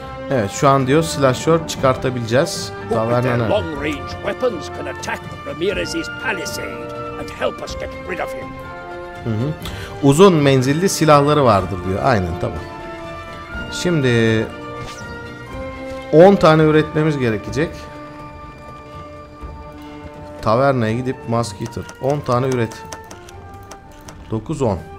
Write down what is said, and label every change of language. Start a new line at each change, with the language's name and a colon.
Turkish: Evet, şu an diyor slasher çıkartabileceğiz. Tavernana.
English: Long range weapons can attack Ramirez's palisade and help us get rid of him.
Turkish: Uzun menzilli silahları vardır diyor. Aynen, tamam. Şimdi 10 tane üretmemiz gerekecek. Tavernaya gidip musketeer 10 tane üret. 9-10.